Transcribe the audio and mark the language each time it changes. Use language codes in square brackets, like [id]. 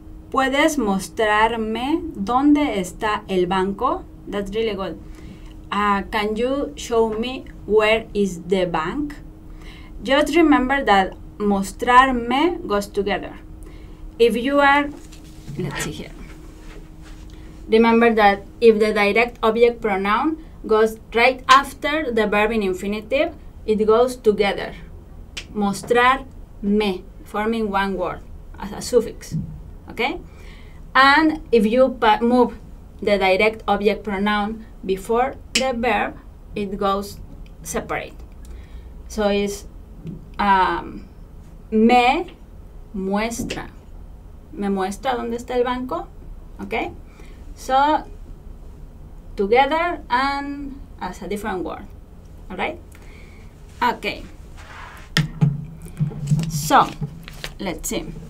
[es] ¿Puedes mostrarme dónde está el banco? [en] That's really good. Can you show me where is the bank? Just remember that mostrarme goes together. If you are, let's see here. Remember that if the direct object pronoun goes right after the verb in infinitive, it goes together. Mostrarme, forming one word as a suffix, okay? And if you move the direct object pronoun before the verb, it goes separate. So it's [es] me muestra. Me muestra dónde está el banco, okay? [en] So together and as a different word, all right? Okay. So let's see.